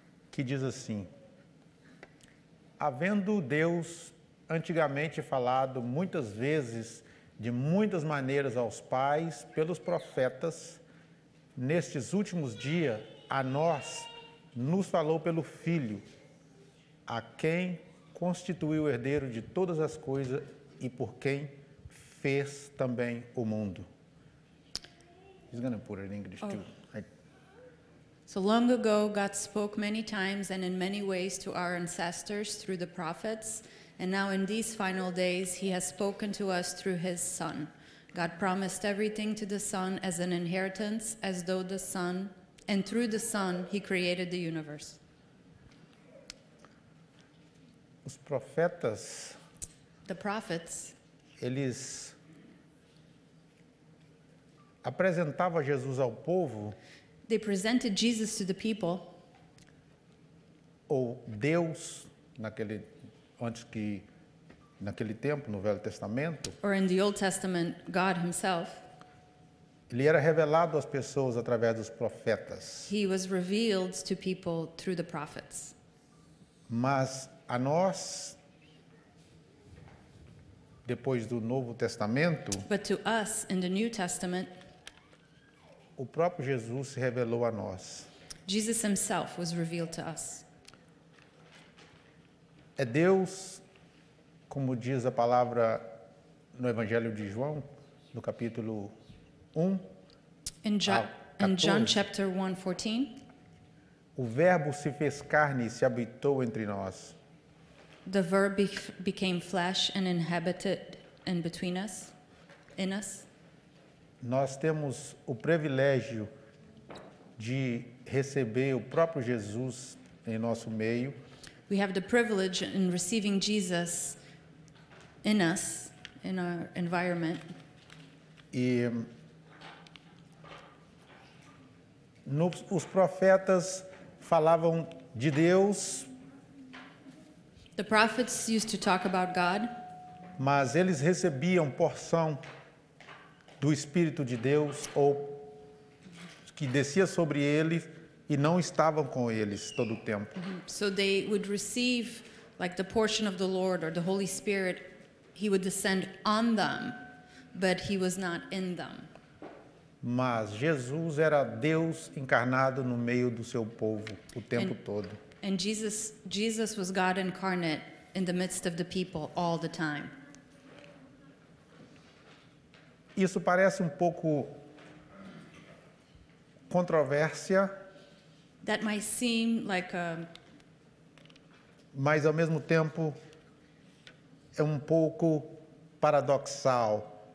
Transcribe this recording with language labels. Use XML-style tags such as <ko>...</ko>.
<pt>Que diz assim: havendo Deus antigamente falado muitas vezes de muitas maneiras aos pais pelos profetas, nestes últimos dias, a nós nos falou pelo Filho, a quem constituiu o herdeiro de todas as coisas e por quem fez também o mundo.</pt> <en>He's going to put it in English too. So long ago, God spoke many times and in many ways to our ancestors through the prophets. And now in these final days, he has spoken to us through his son. God promised everything to the son as an inheritance, as though the son, and through the son, he created the universe.</en> <pt>Os profetas,</pt> <en>the prophets,</en> <pt>eles apresentavam Jesus ao povo.</pt> <en>They presented Jesus to the people.</en> <pt>Ou Deus, naquele, antes que, naquele tempo, no Velho Testamento.</pt> <en>Or in the Old Testament, God himself.</en> <pt>Ele era revelado às pessoas através dos profetas.</pt> <en>He was revealed to people through the prophets.</en> <pt>Mas a nós, depois do Novo Testamento.</pt> <en>But to us in the New Testament.</en> <pt>O próprio Jesus se revelou a nós.</pt> <en>Jesus himself was revealed to us.</en> <pt>É Deus, como diz a palavra no Evangelho de João, no capítulo 1,</pt> <en>in John chapter 1, 14.</en> <pt>O verbo se fez carne e se habitou entre nós.</pt> <en>The verb became flesh and inhabited in between us, in us.</en> <pt>Nós temos o privilégio de receber o próprio Jesus em nosso meio.</pt> <en>We have the privilege in receiving Jesus in us, in our environment.</en> <pt>E os profetas falavam de Deus.</pt> <en>The prophets used to talk about God.</en> <pt>Mas eles recebiam porção do Espírito de Deus ou que descia sobre eles e não estavam com eles todo o tempo.</pt> <en>So they would receive like the portion of the Lord or the Holy Spirit. He would descend on them, but he was not in them.</en> <pt>Mas Jesus era Deus encarnado no meio do seu povo o tempo todo.</pt> <en>And Jesus was God incarnate in the midst of the people all the time.</en> <pt>Isso parece um pouco controvérsia.</pt> <en>That might seem like a...</en> <pt>Mas ao mesmo tempo é um pouco paradoxal.</pt>